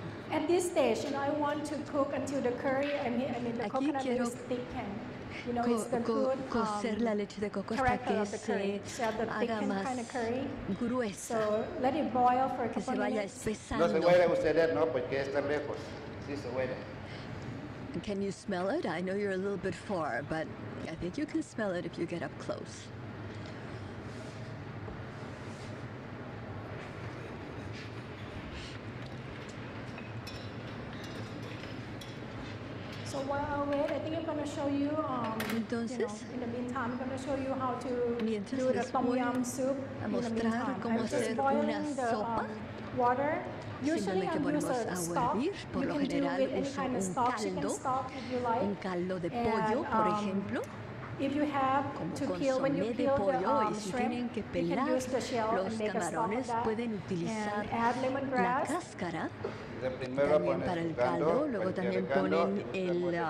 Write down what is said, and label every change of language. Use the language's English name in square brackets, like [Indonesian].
[English] At this stage, you know, I want to cook until the curry and the coconut milk thicken. You know, [Spanish] cocer la leche de coco hasta que se haga más gruesa. [English] So let it boil for a [Spanish] que se vaya espesando. No se huele usted, ¿no? Porque está lejos. Sí se huele. [English] Can you smell it? I know you're a little bit far, but I think you can smell it if you get up close. So while I wait, I think I'm going to show you, [Spanish] Entonces, [English] you know, in the meantime, I'm going to show you how to do the tom yum soup in the meantime. [Spanish] Cómo [English] I'm just boiling the water. [Spanish] Simplemente ponemos agua a hervir, por lo general uso un caldo de pollo, por ejemplo, como consomé de pollo, y si tienen que pelar los camarones, pueden utilizar la cáscara, también para el caldo, luego también ponen el...